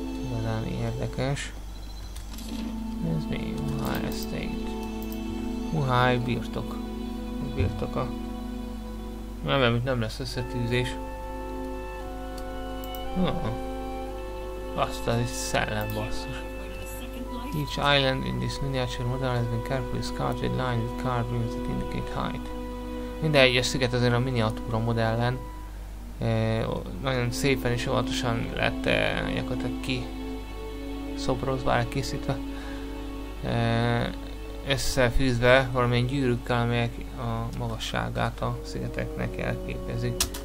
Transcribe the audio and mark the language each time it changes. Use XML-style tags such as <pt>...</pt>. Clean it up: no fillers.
<hu>Igazán érdekes. Ez mi? Muhai Estate. Muhai birtok. A birtoka. Remélem, hogy nem lesz összetűzés. Azt az egy szellem basszus.</hu> <en>Each island in this miniature model has been carefully sculpted, lined with card rooms that indicate height.</en> <hu>Minden egyes sziget azért a miniatúra modellen nagyon szépen és óvatosan lett gyakorlatilag kiszobrozva, elkészítve, összefűzve valamilyen gyűrűkkel, amelyek a magasságát a szigeteknek elképezik.</hu>